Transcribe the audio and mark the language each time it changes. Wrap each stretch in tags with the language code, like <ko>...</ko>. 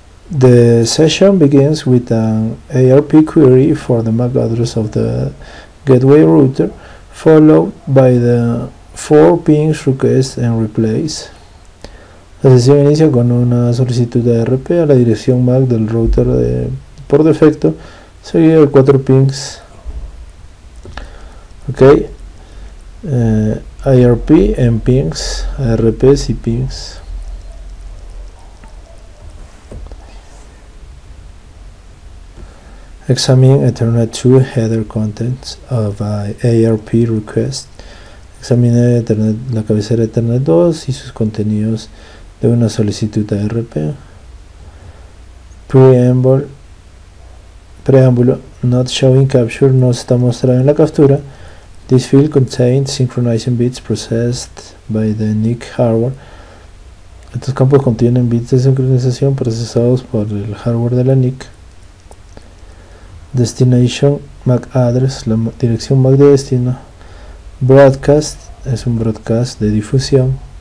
<en>The session begins with an ARP query for the MAC address of the gateway router, followed by the 4 pings request and replace.</en> <es>La sesión inicia con una solicitud de ARP a la dirección MAC del router por defecto, seguida de 4 pings.</es> <en>Ok, ARP and pings, ARPs y pings. Examine Ethernet 2 header contents of ARP request. Examine Ethernet,</en> <es>la cabecera Ethernet 2 y sus contenidos de una solicitud ARP. Preámbulo,</es> <en>not showing capture,</en> <es>no se está mostrando en la captura.</es> <en>This field contains synchronizing bits processed by the NIC hardware.</en> <es>Estos campos contienen bits de sincronización procesados por el hardware de la NIC.</es> <en>destination MAC address,</en> <es>la dirección MAC de destino, broadcast, es un broadcast de difusión.</es>